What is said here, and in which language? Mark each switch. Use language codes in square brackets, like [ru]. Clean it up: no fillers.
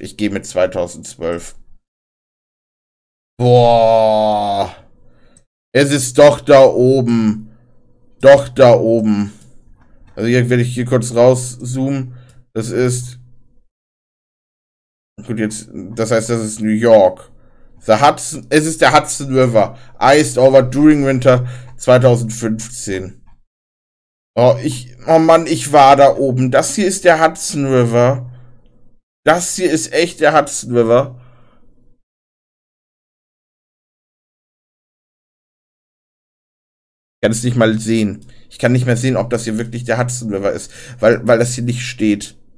[de] Ich gehe mit 2012. Boah. Es ist doch da oben. Doch da oben. Also hier werde ich hier kurz rauszoomen. Das ist. Gut, jetzt. Das heißt, das ist New York. The Hudson, es ist der Hudson River. [en] Iced over during winter 2015. [de] Oh Mann, ich war da oben. Das hier ist der Hudson River. Das hier ist echt der Hudson River. Kann es nicht mal sehen. Ich kann nicht mehr sehen, ob das hier wirklich der Hudson River ist, weil das hier nicht steht.